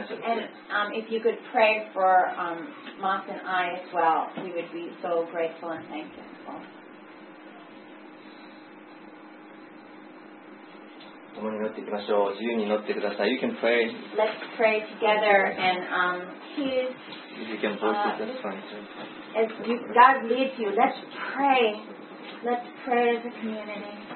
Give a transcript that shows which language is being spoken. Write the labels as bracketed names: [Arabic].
[English] And if you could pray for Moss and I as well, we would be so grateful and thankful. [Japanese] 共に祈っていきましょう。自由に祈ってください。 [English] You can pray. Let's pray together and please. You can pray. As you, God leads you, let's pray. Let's pray as a community.